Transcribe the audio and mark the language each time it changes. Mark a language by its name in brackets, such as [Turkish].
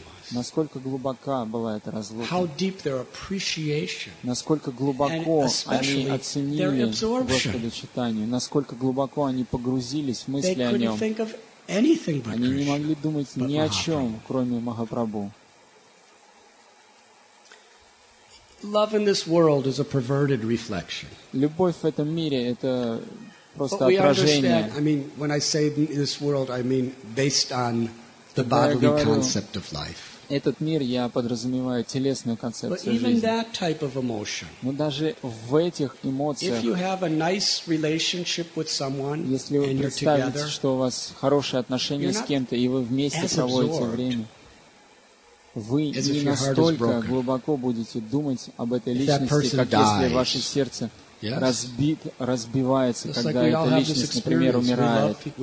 [Russian] Насколько глубока была эта разлука. Насколько глубоко они оценили Господа Чайтанью. Насколько глубоко они погрузились в мысли о нем. Они не могли думать ни о чем, кроме Махапрабху. [English] Love in this world is a perverted reflection. [Russian] Любовь в этом мире — это просто отражение. [English] I mean, when I say this world, I mean based on the bodily concept of life. [Russian] Этот мир я подразумеваю телесную концепцию жизни. [English] But even that type of emotion. [Russian] Но даже в этих эмоциях. [English] If you have a nice relationship with someone, [Russian] если вы представите, что у вас хорошие отношения с кем-то и вы вместе проводите время. Вы не настолько глубоко будете думать об этой личности, как если ваше сердце разбивается, когда эта личность, например, умирает.